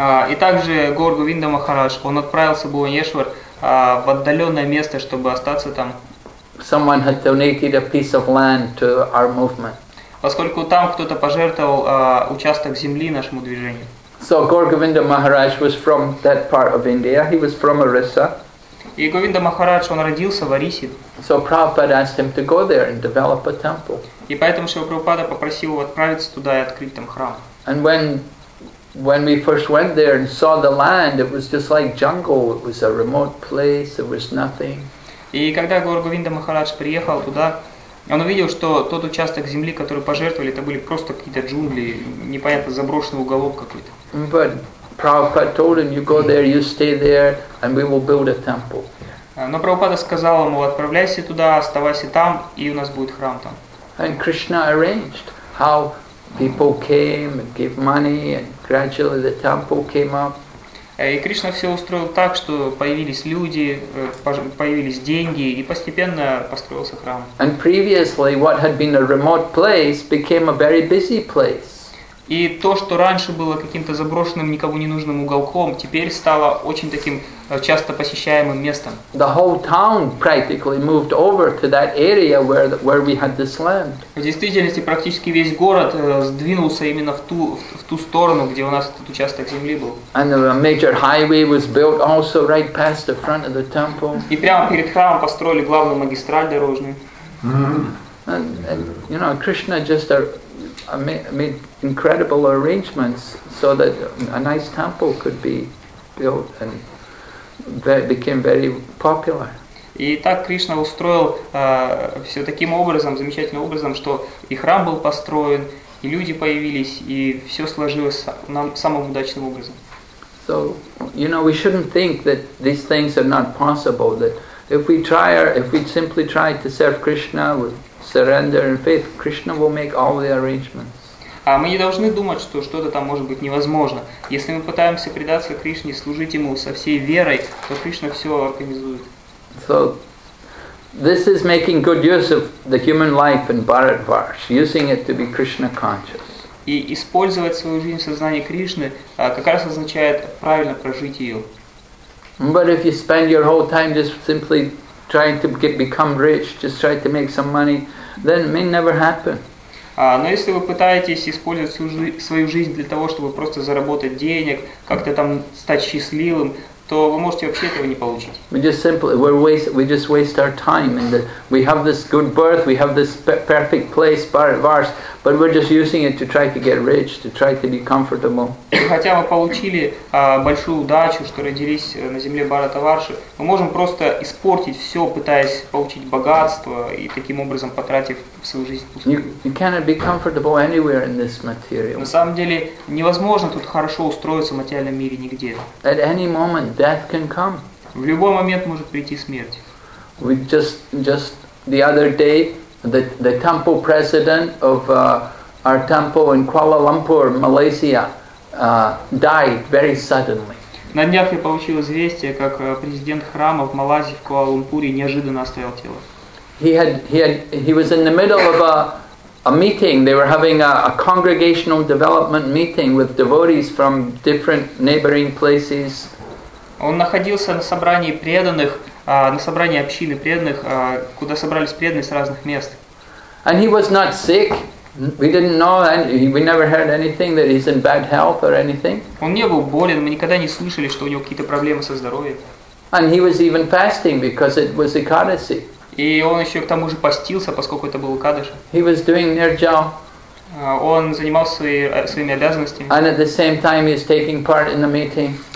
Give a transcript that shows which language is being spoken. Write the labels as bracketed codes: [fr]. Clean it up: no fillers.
[ru] И также Гаур Говинда Махарадж, он отправился в Бхубанешвар в отдаленное место, чтобы остаться там. [en] Someone had donated a piece of land to our movement. [ru] Поскольку там кто-то пожертвовал участок земли нашему движению. [en] So Gaur Govinda Maharaj was from that part of India. He was from Orissa. [ru] И Говинда Махарадж, он родился в Орисе. [en] So Prabhupada asked him to go there and develop a temple. [ru] И поэтому Шрила Прабхупада попросил его отправиться туда и открыть там храм. [en] And when we first went there and saw the land, it was just like jungle. It was a remote place. There was nothing. [ru] И когда Гаур Говинда Махарадж приехал туда, он увидел, что тот участок земли, который пожертвовали, это были просто какие-то джунгли, непонятно, заброшенный уголок какой-то. [en] But Prabhupada told him, you go there, you stay there, and we will build a temple. [ru] Но Прабхупада сказал ему, отправляйся туда, оставайся там, и у нас будет храм там. [en] And Krishna arranged how people came and gave money, and gradually the temple came up. [ru] И Кришна все устроил так, что появились люди, появились деньги, и постепенно построился храм. [en] And previously, what had been a remote place became a very busy place. [ru] И то, что раньше было каким-то заброшенным, никому не нужным уголком, теперь стало очень таким часто посещаемым местом. [en] The whole town practically moved over to that area where we had this land. [ru] В действительности, практически весь город сдвинулся именно в ту сторону, где у нас этот участок земли был. [en] And a major highway was built also right past the front of the temple. [ru] И прямо перед храмом построили главную магистраль дорожную. [en] And, you know, Krishna just made incredible arrangements so that a nice temple could be built and became very popular. [ru] И так Кришна устроил все таким образом, замечательным образом, что и храм был построен, и люди появились, и все сложилось самым удачным образом. [en] So, you know, we shouldn't think that these things are not possible, that if we simply try to serve Krishna with surrender and faith, Krishna will make all the arrangements. [ru] А мы не должны думать, что что-то там может быть невозможно. Если мы пытаемся предаться Кришне, служить Ему со всей верой, то Кришна все организует. [en] So, this is making good use of the human life in Bharatvarsh, using it to be Krishna conscious. [ru] И использовать свою жизнь в сознании Кришны как раз означает правильно прожить ее. [en] But if you spend your whole time just simply trying to become rich, just trying to make some money, then it may never happen. [ru] Но если вы пытаетесь использовать свою жизнь для того, чтобы просто заработать денег, как-то там стать счастливым, то вы можете вообще этого не получить. [en] We just waste our time, and we have this good birth, we have this perfect place, Bharatvarsh, but we're just using it to try to get rich, to try to be comfortable. [ru] И хотя мы получили большую удачу, что родились на земле Бхаратаварши, мы можем просто испортить все, пытаясь получить богатство и таким образом потратив свою жизнь впустую. [en] You cannot be comfortable anywhere in this material. [ru] На самом деле невозможно тут хорошо устроиться в материальном мире нигде. [en] At any moment death can come. [ru] В любой момент может прийти смерть. [en] We just the other day, the temple president of our temple in Kuala Lumpur, Malaysia, died very suddenly. [ru] На днях я получил известие, как президент храма в Малайзии в Куала-Лумпуре неожиданно оставил тело. [en] He was in the middle of a meeting. They were having a congregational development meeting with devotees from different neighboring places. [ru] Он находился на собрании преданных на собрание общины преданных, куда собрались преданные с разных мест. [en] And he was not sick. We didn't know, and we never heard anything that he's in bad health or anything. [ru] Он не был болен, мы никогда не слышали, что у него какие-то проблемы со здоровьем. [en] And he was even fasting because it was Ekadasi. [ru] И он еще к тому же постился, поскольку это был Экадаш. [en] He was doing nirjal. [ru] Он занимался своими обязанностями. [en] And at the same time, he's taking part in the meeting.